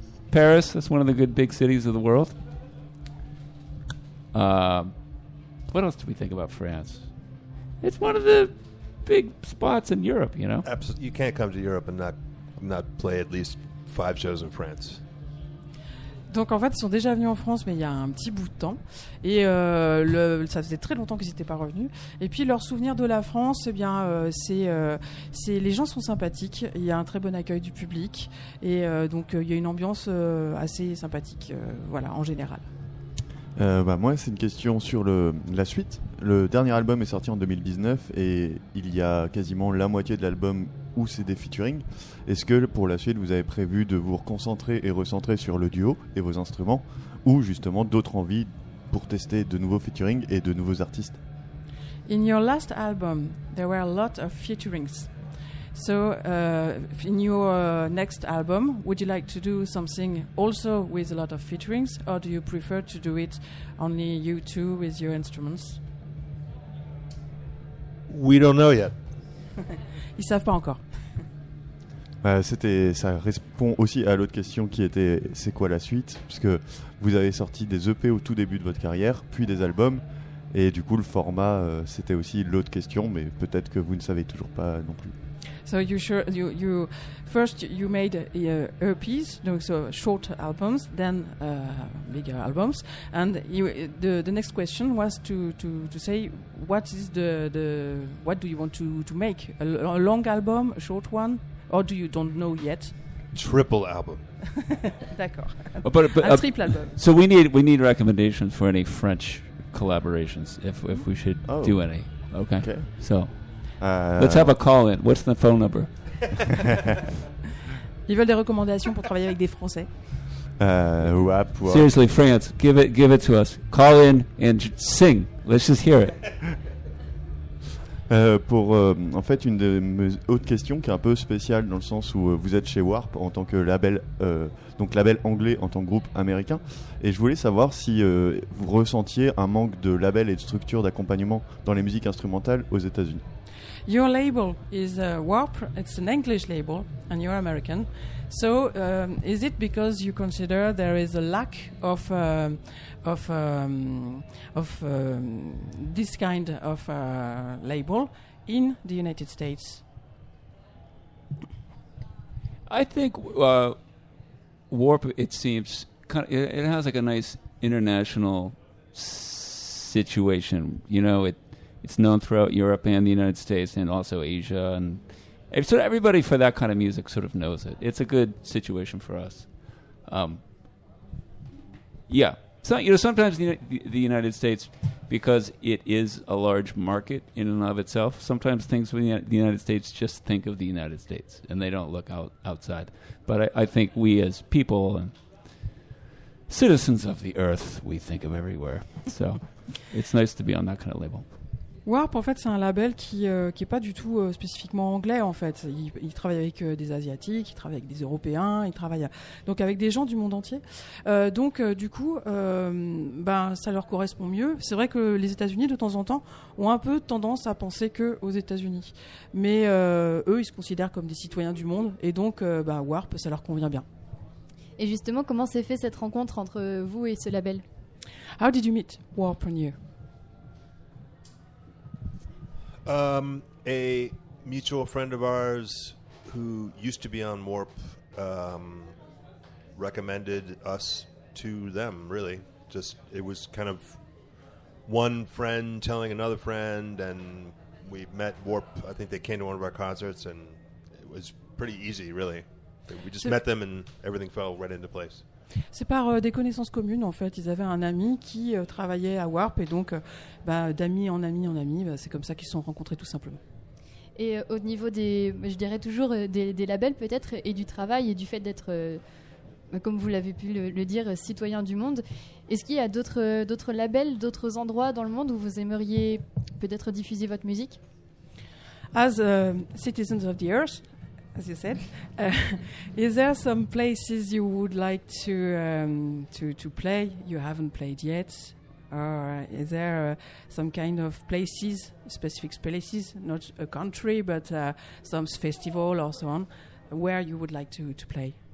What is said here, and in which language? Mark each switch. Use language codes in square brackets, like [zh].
[en] Paris, that's one of the good big cities of the world. What else do we think about France? It's one of the big spots in Europe, you know? Absolutely. You can't come to Europe and not play at least 5 shows in France. [fr] Donc en fait, ils sont déjà venus en France, mais il y a un petit bout de temps. Et ça faisait très longtemps qu'ils n'étaient pas revenus. Et puis leur souvenir de la France, c'est les gens sont sympathiques. Il y a un très bon accueil du public. Et il y a une ambiance assez sympathique, en général. Moi, c'est une question sur la suite. Le dernier album est sorti en 2019 et il y a quasiment la moitié de l'album où c'est des featuring. Est-ce que pour la suite, vous avez prévu de vous reconcentrer et recentrer sur le duo et vos instruments ou justement d'autres envies pour tester de nouveaux featuring et de nouveaux artistes? [en] In your last album, there were a lot of featurings. So, in your next album, would you like to do something also with a lot of featurings, or do you prefer to do it only you two with your instruments? We don't know yet. [fr] Ils savent pas encore. Ça répond aussi à l'autre question qui était c'est quoi la suite, parce que vous avez sorti des EP au tout début de votre carrière, puis des albums, et du coup le format c'était aussi l'autre question, mais peut-être que vous ne savez toujours pas non plus. [en] So you made EPs, so short albums, then bigger albums, and the next question was to say what is the what do you want to make, a long album, a short one, or do you don't know yet? Triple album. [fr] D'accord. [en] Triple album. So we need recommendations for any French collaborations if we should do any. Okay. Okay. So. Let's have a call in. What's the phone number? [fr] Ils veulent des recommandations pour travailler avec des Français. [en] Seriously, France, give it to us. Call in and sing. Let's just hear it. [fr] Une de mes autres questions qui est un peu spéciale dans le sens où vous êtes chez Warp en tant que label, donc label anglais en tant que groupe américain, et je voulais savoir si vous ressentiez un manque de label et de structure d'accompagnement dans les musiques instrumentales aux États-Unis. [en] Your label is Warp, it's an English label, and you're American. So is it because you consider there is a lack this kind of label in the United States? I think Warp, it seems, it has like a nice international situation. You know, It's known throughout Europe and the United States and also Asia. And so everybody for that kind of music sort of knows it. It's a good situation for us. Yeah. So, you know, sometimes the United States, because it is a large market in and of itself, sometimes things within the United States just think of the United States and they don't look outside. But I think we as people and citizens of the earth, we think of everywhere. So it's nice to be on that kind of label. [fr] Warp, en fait, c'est un label qui est pas du tout spécifiquement anglais, en fait. Il travaille avec des Asiatiques, il travaille avec des Européens, il travaille donc avec des gens du monde entier. Donc, ça leur correspond mieux. C'est vrai que les États-Unis, de temps en temps, ont un peu tendance à penser qu'aux États-Unis. Mais eux, ils se considèrent comme des citoyens du monde. Et donc, Warp, ça leur convient bien. Et justement, comment s'est fait cette rencontre entre vous et ce label? [en] How did you meet Warp and you? A mutual friend of ours who used to be on Warp recommended us to them, really. Just, it was kind of one friend telling another friend, and we met Warp. I think they came to one of our concerts, and it was pretty easy, really. We just met them, and everything fell right into place. [fr] C'est par des connaissances communes, en fait. Ils avaient un ami qui travaillait à Warp, et donc d'ami en ami en ami, c'est comme ça qu'ils se sont rencontrés, tout simplement. Et au niveau des labels, peut-être, et du travail, et du fait d'être, comme vous l'avez pu le dire, citoyen du monde, est-ce qu'il y a d'autres labels, d'autres endroits dans le monde où vous aimeriez peut-être diffuser votre musique? [en] As citizens of the earth, as you said, is there some places you would like to play you haven't played yet, or is there some kind of places, specific places, not a country, but some festival or so on, where you would like to play?